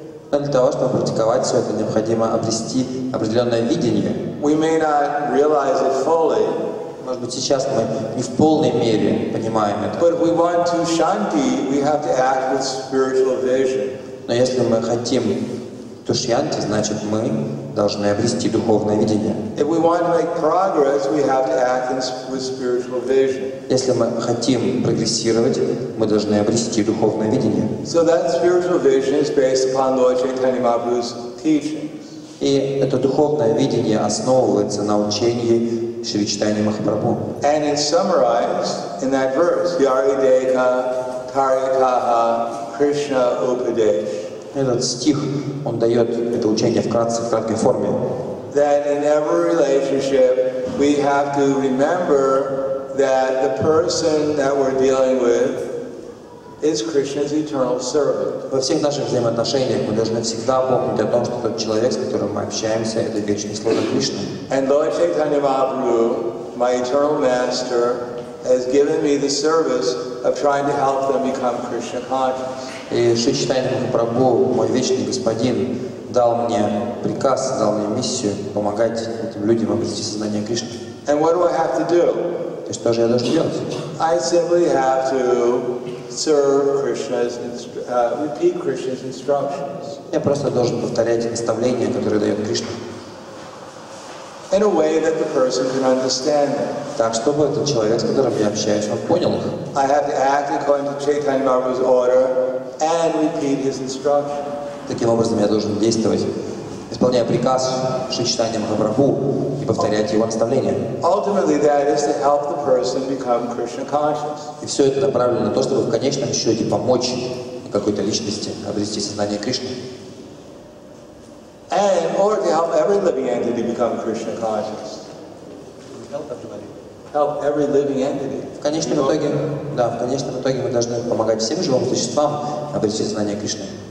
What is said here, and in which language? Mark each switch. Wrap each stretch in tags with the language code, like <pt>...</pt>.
<ru>для того, чтобы практиковать все это, необходимо обрести определенное видение.</ru> <en>We may not realize it fully.</en> <ru>Может быть, сейчас мы не в полной мере понимаем это.</ru> <en>But if we want to shanti, we have to act with spiritual vision.</en> <ru>Но если мы хотим тушьянти, значит, мы должны обрести духовное видение.</ru> <en>If we want to make progress, we have to act with spiritual vision.</en> <ru>Если мы хотим прогрессировать, мы должны обрести духовное видение.</ru> <en>So that spiritual vision is based upon Lord Chaitanya Mahaprabhu's teachings.</en> <ru>И это духовное видение основывается на учении Шри Чайтаньи Махапрабху.</ru> <en>And it's summarized in that verse,</en> <sa>Yari Deha Tarikaha Krishna Upadesh.</sa> <ru>Этот стих, он дает это учение вкратце, в краткой форме.</ru> <en>That in every relationship we have to remember that the person that we're dealing with is Krishna's eternal servant.</en> <ru>Во всех наших взаимоотношениях мы должны всегда помнить о том, что тот человек, с которым мы общаемся, это вечный слуга Кришны.</ru> <en>And Lord Chaitanya Mahaprabhu, my eternal master, has given me the service of trying to help them become Krishna conscious.</en> <ru>И Шри Чайтанья Махапрабху, мой вечный господин, дал мне приказ, дал мне миссию помогать этим людям обрести сознание Кришны.</ru> <en>And what do I have to do?</en> <ru>То есть, что же я должен делать?</ru> <en>I simply have to serve Krishna's, repeat Krishna's instructions.</en> <ru>Я просто должен повторять наставления, которые дает Кришна.</ru> <en>In a way that the person can understand them.</en> <ru>Так, чтобы этот человек, с которым я общаюсь, он понял их.</ru> <en>I have to act according to Chaitanya Mahaprabhu's order and repeat his instructions.</en> <ru>Таким образом, я должен действовать, исполняя приказ Шри Чайтанья Махапрабху и повторять его наставления.</ru> <en>Ultimately, that is to help the person become Krishna conscious.</en> <ru>И все это направлено на то, чтобы в конечном счете помочь какой-то личности обрести сознание Кришны.</ru> <en>And in order to help every living entity become Krishna conscious. Help every living entity.</en> <ru>В конечном итоге, да, в конечном итоге мы должны помогать всем живым существам обрести знание Кришны.</ru>